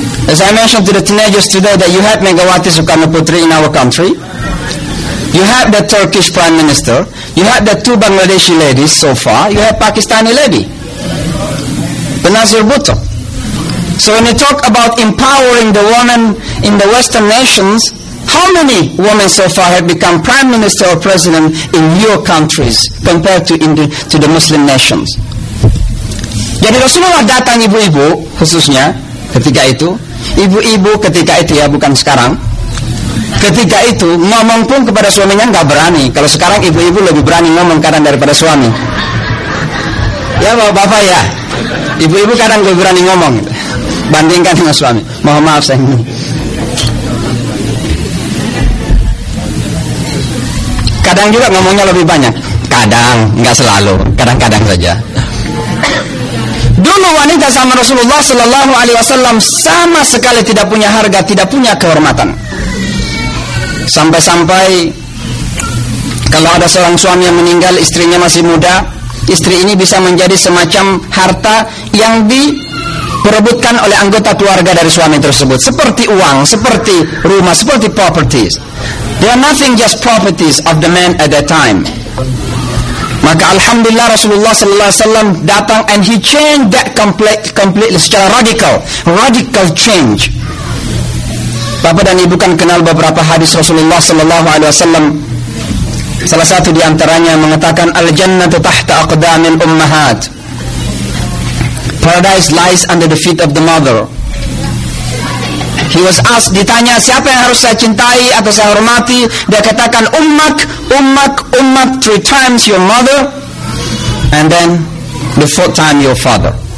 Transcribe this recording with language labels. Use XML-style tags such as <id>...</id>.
<en>As I mentioned to the teenagers today, that you have Megawati Sukarno Putri in our country, you have the Turkish prime minister, you have the two Bangladeshi ladies so far, you have Pakistani lady, Benazir Bhutto. So when you talk about empowering the woman in the Western nations, how many women so far have become prime minister or president in your countries compared to the Muslim nations?</en> <id>Jadi Rasulullah datang ibu-ibu khususnya ketika itu, ibu-ibu ketika itu ya, bukan sekarang. Ketika itu ngomong pun kepada suaminya enggak berani. Kalau sekarang ibu-ibu lebih berani ngomong kadang daripada suami. Ya bapak-bapak ya, ibu-ibu kadang lebih berani ngomong bandingkan dengan suami. Mohon maaf saya ini. Kadang juga ngomongnya lebih banyak. Kadang, enggak selalu, kadang-kadang saja. Dulu wanita sama Rasulullah sallallahu alaihi wasallam sama sekali tidak punya harga, tidak punya kehormatan. Sampai-sampai kalau ada seorang suami yang meninggal, istrinya masih muda, istri ini bisa menjadi semacam harta yang diperebutkan oleh anggota keluarga dari suami tersebut, seperti uang, seperti rumah, seperti properties.</id> <en>They are nothing, just properties of the man at that time.</en> <id>Maka alhamdulillah Rasulullah sallallahu alaihi wasallam datang</id> <en>and he changed that completely,</en> <id>secara radical change. Bapak dan ibu kan kenal beberapa hadis Rasulullah sallallahu alaihi wasallam. Salah satu di antaranya mengatakan,</id> <ar>al-jannatu tahta aqdamil ummahat.</ar> <en>Paradise lies under the feet of the mother. He was asked,</en> <id>ditanya, siapa yang harus saya cintai atau saya hormati? Dia katakan,</id> <en>ummak, 3 times your mother, and then the 4th time your father.</en>